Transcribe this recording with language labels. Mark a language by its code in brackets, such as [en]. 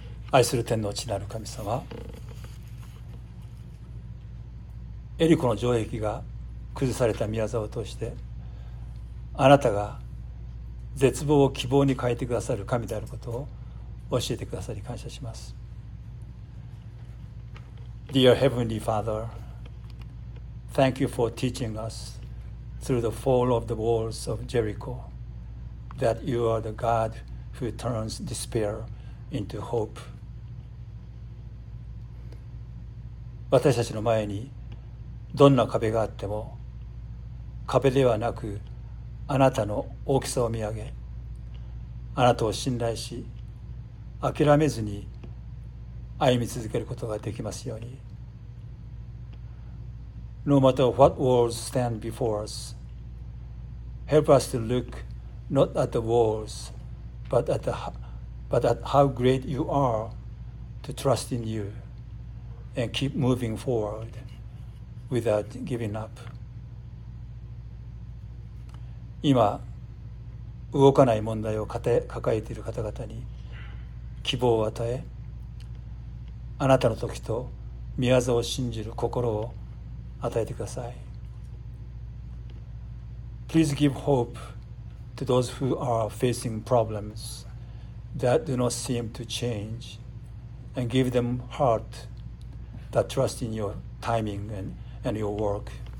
[ja] 愛する天の地なる神様、エリコの城壁が崩された御業を通してあなたが絶望を希望に変えてくださる神であることを教えてくださり感謝します。 [en] Dear Heavenly FatherThank you for teaching us through the fall of the walls of Jericho that you are the God who turns despair into hope. [ja] 私たちの前にどんな壁があっても壁ではなくあなたの大きさを見上げあなたを信頼し諦めずに歩み続けることができますように。 [en] No matter what walls stand before us, help us to look not at the walls, but at how great you are, to trust in you and keep moving forward without giving up. [ja] 今、動かない問題を抱えている方々に希望を与え、あなたの時と御業を信じる心を与えてください。 [en] Please give hope to those who are facing problems that do not seem to change, and give them heart that trusts in your timing and your work.